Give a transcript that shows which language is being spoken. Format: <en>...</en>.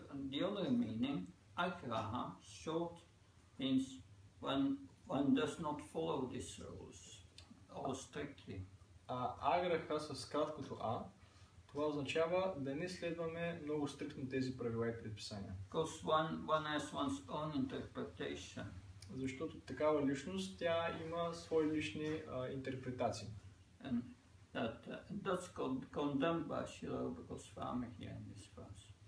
<en>The other meaning, agraha, short, means when one does not follow these rules, or strictly.</en> <bg>Аграха с краткото А, това означава да не следваме много стриктно тези правила и предписания.</bg> <en>Because one has one's own interpretation.</en> <bg>Защото такава личност, тя има свои лични интерпретации.</bg> <en>And that's condemned by Srila Rupa Goswami here in this verse.</en>